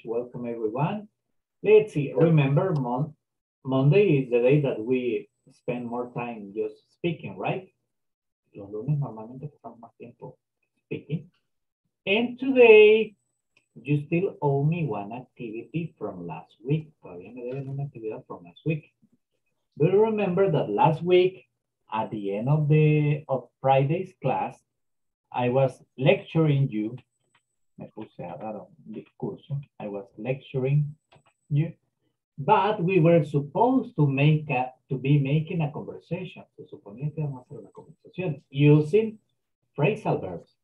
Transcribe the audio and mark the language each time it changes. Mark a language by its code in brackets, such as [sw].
[en] Welcome, everyone. Let's see. Remember, Monday is the day that we spend more time just speaking, right? [es] Los lunes normalmente pasamos más tiempo [en] speaking. And today, you still owe me one activity from last week. [es] Todavía me deben una actividad [en] from last week. Do you remember that last week, at the end of the of Friday's class, I was lecturing you. [es] Me puse a dar un discurso. [en] I was lecturing you. But we were supposed to make making a conversation. [es] Se suponía que íbamos a hacer una conversación [en] using phrasal verbs.